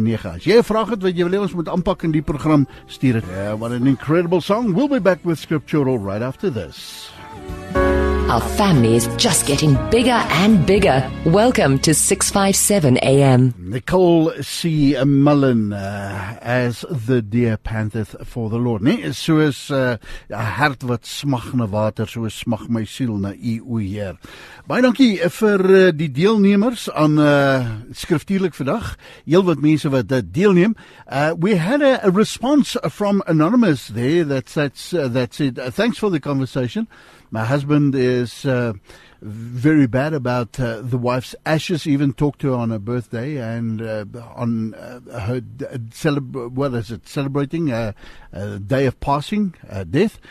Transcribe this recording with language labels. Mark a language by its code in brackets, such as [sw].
[af] As jy 'n vraag het wat jy wil hê ons moet aanpak in die program, stuur dit. [en] Yeah, what an incredible song. We'll be back with scriptural right after this. Our family is just getting bigger and bigger. Welcome to 657 AM. Nicole C. Mullen as the deer panteth for the Lord. [af] Nee, soos hart wat smag na water, soos smag my siel na u, o Heer. Baie dankie vir die deelnemers aan skriftuurlik vandag. Heel wat mense wat deelneem. [en] We had a response from Anonymous there that said, thanks for the conversation. My husband is very bad about the wife's ashes. Even talked to her on her birthday and on her celebrating a day of passing, death.